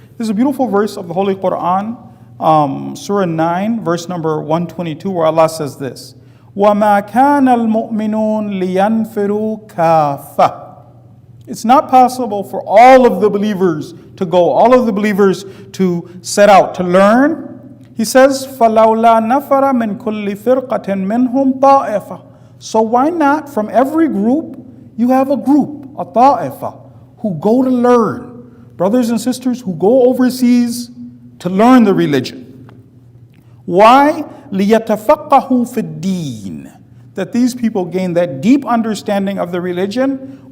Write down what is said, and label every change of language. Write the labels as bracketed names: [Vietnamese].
[English] This is a beautiful verse of the Holy Quran, Surah 9, verse number 122, where Allah says this, [Arabic] وَمَا كَانَ الْمُؤْمِنُونَ لِيَنْفِرُوا كَافَةً. [English] It's not possible for all of the believers to go, all of the believers to set out to learn. He says, [Arabic] فَلَوْلَا نَفَرَ مِنْ كُلِّ فِرْقَةٍ مِنْهُمْ طَائِفَةً. [English] So why not, from every group, you have a group, a ta'ifa, who go to learn. Brothers and sisters who go overseas to learn the religion. Why? [Arabic] لِيَتَفَقَّهُ فِي الدِّينِ. [English] That these people gain that deep understanding of the religion.